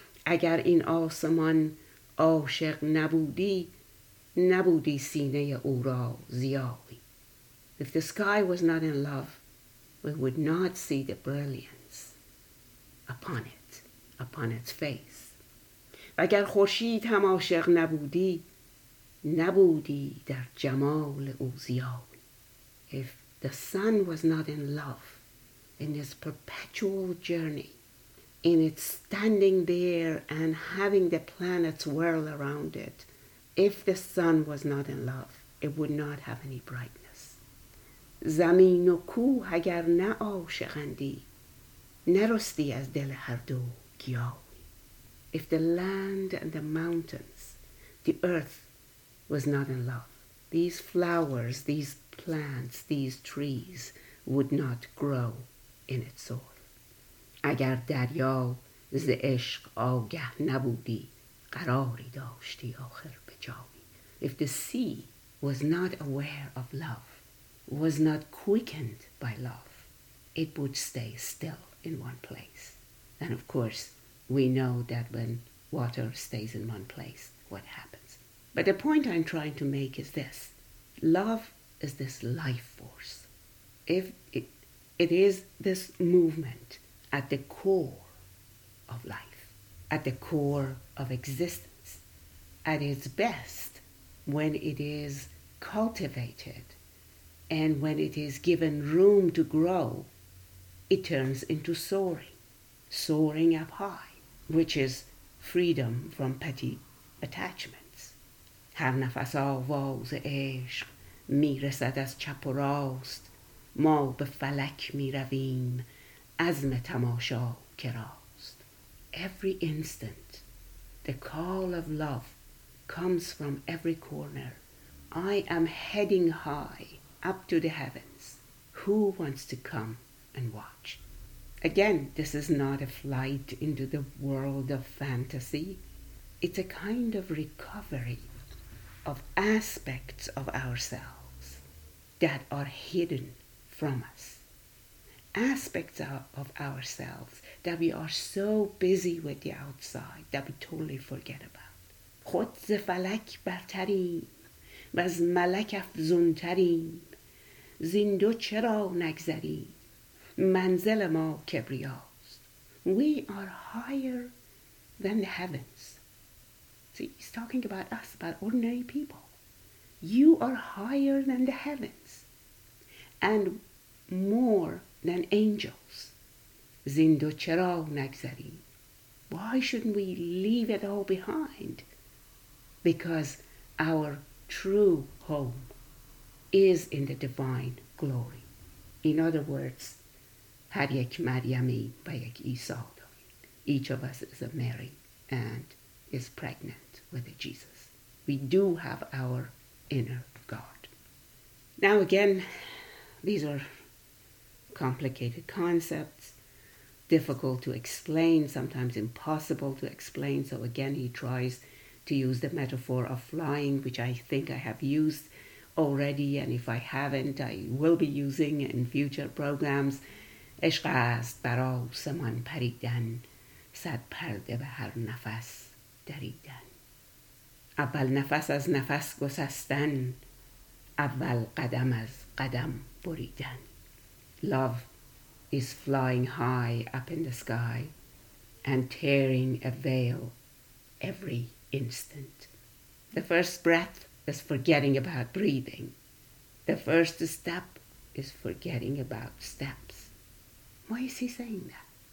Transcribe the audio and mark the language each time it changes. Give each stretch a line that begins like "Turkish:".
Persian: اگر این آسمان عاشق نبودی، نبودی سینه او را زیاوی.
English: If the sky was not in love, we would not see the brilliance upon it, upon its face.
Persian: اگر خورشید هم عاشق نبودی، نبودی در جمال او زیاوی.
English: If the sun was not in love, in this perpetual journey, in its standing there and having the planets whirl around it, if the sun was not in love, it would not have any brightness.
Persian: زمین و کوه اگر نه عاشقندی، نرستی از دل هر دو گیاهی.
English: If the land and the mountains, the earth, was not in love, these flowers, these plants, these trees would not grow in its soil.
Persian: اگر دریا ز عشق آگه نبودی، قراری داشتی آخر به جایی.
English: If the sea was not aware of love, was not quickened by love, it would stay still in one place. And of course, we know that when water stays in one place, what happens. But the point I'm trying to make is this. Love is this life force. If it is this movement at the core of life, at the core of existence, at its best, when it is cultivated and when it is given room to grow, it turns into soaring, soaring up high, which is freedom from petty attachments.
Persian: هر نفس آواز عشق میرسد از چپ و راست، ما به فلک میرویم عزم تماشا کراست.
English: Every instant, the call of love comes from every corner. I am heading high up to the heavens. Who wants to come and watch? Again, this is not a flight into the world of fantasy. It's a kind of recovery of aspects of ourselves that are hidden from us. Aspects of ourselves that we are so busy with the outside that we totally forget about.
Persian: خود ز فلک برتریم و از ملک افزونتریم، زین دو چرا نگذریم، منزل ما کبریاست.
English: We are higher than the heavens. See, he's talking about us, about ordinary people. You are higher than the heavens and more than angels.
Persian: زین دو چرا نگذریم.
English: Why shouldn't we leave it all behind? Because our true home is in the divine glory. In other words,
Persian: هر یک مریمی و یک عیسی داریم.
English: Each of us is a Mary and is pregnant with Jesus. We do have our inner God. Now again, these are complicated concepts, difficult to explain, sometimes impossible to explain. So again, he tries to use the metaphor of flying, which I think I have used already. And if I haven't, I will be using in future programs.
Persian: عشق است بر آسمان پریدن، صد پرده به هر نفس دریدن. اول نفس از نفس گسستن، اول قدم از قدم بریدن.
English: Love is flying high up in the sky and tearing a veil every instant. The first breath is forgetting about breathing. The first step is forgetting about steps. Why is he saying that?